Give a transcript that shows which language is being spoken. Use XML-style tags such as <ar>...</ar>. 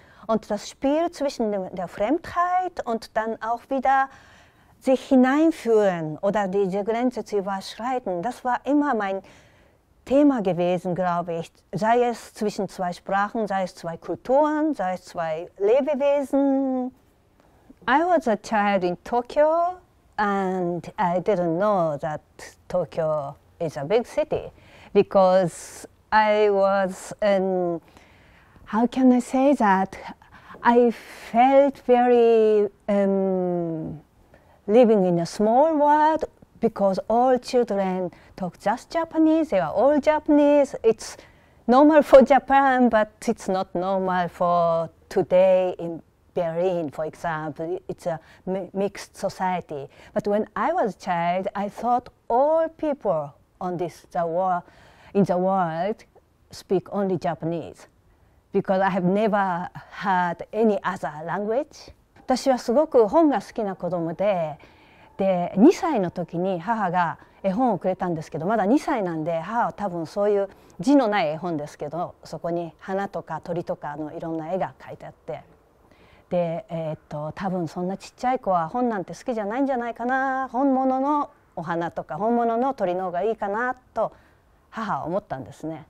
<de>Und das Spiel zwischen der Fremdheit und dann auch wieder sich hineinführen oder diese Grenze zu überschreiten, das war immer mein Thema gewesen, glaube ich. Sei es zwischen zwei Sprachen, sei es zwei Kulturen, sei es zwei Lebewesen.</de> <en>I was a child in Tokyo and I didn't know that Tokyo is a big city because I was in, how can I say that? I felt very living in a small world because all children talk just Japanese, they are all Japanese. It's normal for Japan, but it's not normal for today in Berlin, for example. It's a mixed society. But when I was a child, I thought all people on this in the world speak only Japanese. Because I have never heard any other language.</en> <ja>私はすごく本が好きな子供で、で、2歳の時に母が絵本をくれたんですけど、まだ2歳なんで、母は多分そういう字のない絵本ですけど、そこに花とか鳥とかのいろんな絵が描いてあって、で、多分そんなちっちゃい子は本なんて好きじゃないんじゃないかな、本物のお花とか本物の鳥の方がいいかなと母は思ったんですね。</ja>